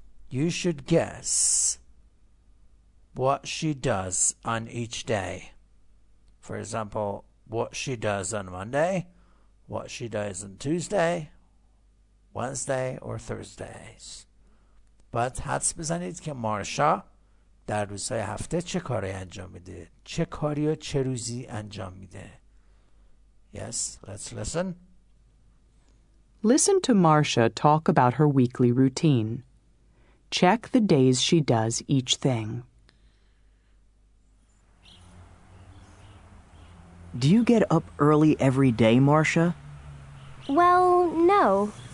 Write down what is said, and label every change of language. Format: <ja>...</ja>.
<en>You should guess what she does on each day. For example, what she does on Monday, what she does on Tuesday, Wednesday or Thursdays.</en> <fa>But حدس بزنید که مارشا در روزهای هفته چه کاری انجام میده؟ چه کاری و چه روزی انجام میده؟</fa> <en>Yes, let's listen. Listen to Marcia talk about her weekly routine. Check the days she does each thing. Do you get up early every day, Marcia? Well, no.</en>